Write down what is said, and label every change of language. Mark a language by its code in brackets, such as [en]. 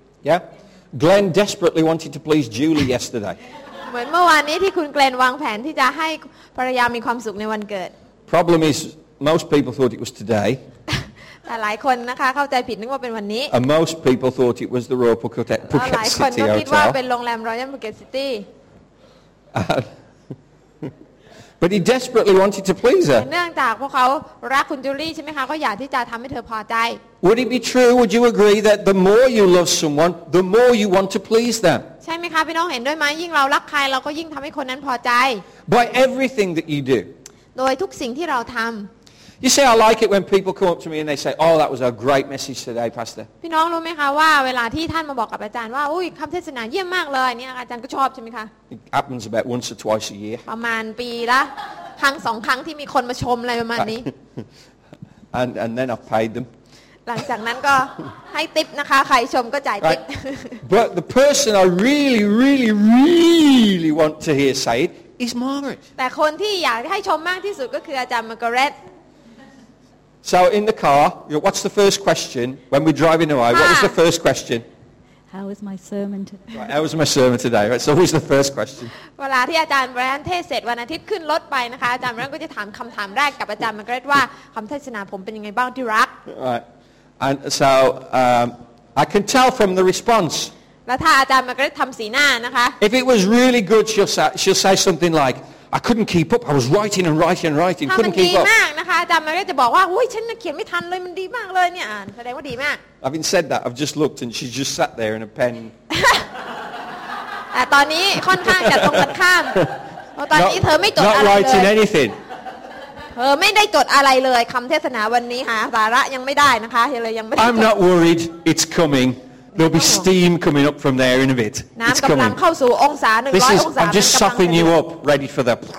[en] Yeah, Glenn desperately wanted to please Julie yesterday. [th] เหมือนเมื่อวานนี้ที่คุณเกลนวางแผนที่จะให้ภรรยามีความสุขในวันเกิด [en] Problem is, most people thought it was today. [th] แต่หลายคนนะคะเข้าใจผิดนึกว่าเป็นวันนี้ [en] And most people thought it was the Royal Phuket City Hotel. [th] หลายคนก็ คิ ดว่าเป็นโรงแรม Royal Phuket City. [en] But he desperately wanted to please her. [th] เนื่องจากพวกเขารักคุณจูลี่ใช่ไหมคะก็อยากที่จะทำให้เธอพอใจ [en] Would it be true? Would you agree that the more you love someone, the more you want to please them? [th] ใช่ไหมคะพี่น้องเห็นด้วยไหมยิ่งเรารักใครเราก็ยิ่งทำให้คนนั้นพอใจ [en] By everything that you do. [th] โดยทุกสิ่งที่เราทำ [en] You say I like it when people come up to me and they say, "Oh, that was a great message today, Pastor." [th] พี่น้องรู้ไหมคะว่าเวลาที่ท่านมาบอกกับอาจารย์ว่าอุ้ยคำเทศนาเยี่ยมมากเลยเนี่ยอาจารย์ก็ชอบใช่ไหมคะ [en] It happens about once or twice a year. [th] ประมาณปีละครั้งสองครั้งที่มีคนมาชมอะไรประมาณนี้ [en] And then I've paid them. [th] หลังจากนั้นก็ให้ทิปนะคะใครชมก็จ่ายทิป [en] But the person I really, really, really want to hear say it is Margaret. [th] แต่คนที่อยากให้ชมมากที่สุดก็คืออาจารย์มาร์กาเร็ต [en] So in the car, what's the first question when we're driving away? What was the first question? How was my sermon today? Right, how was my sermon today? Right, so what was the first question? [th] เวลาที่อาจารย์แบรนด์เทศเสร็จวันอาทิตย์ขึ้นรถไปนะคะอาจารย์แบรนด์ก็จะถามคำถามแรกกับอาจารย์มาร์กาเร็ตว่าคำเทศนาผมเป็นยังไงบ้างที่รัก [en] Right, and so I can tell from the response. [th] แล้วถ้าอาจารย์มาร์กาเร็ตทำสีหน้านะคะ [en] If it was really good, she'll say something like. I couldn't keep up. I was writing and writing and writing. Couldn't keep up. [th] ถ้ามันดีมากนะคะอาจารย์มาร์กาเร็ตจะบอกว่าอุ้ยฉันเขียนไม่ทันเลยมันดีมากเลยเนี่ยแสดงว่าดีมาก [en] Having said that, I've just looked and she's just sat there in a pen. [th] ตอนนี้ค่อนข้างจะตรงกันข้ามเพราะตอนนี้เธอไม่จดอะไรเลย [en] Not writing anything. [th] เธอไม่ได้จดอะไรเลยคำเทศนาวันนี้หาสาระยังไม่ได้นะคะเลยยังไม่ [en] I'm not worried. It's coming. There'll be steam coming up from there in a bit. It's coming. This is, I'm just softening you up, ready for the...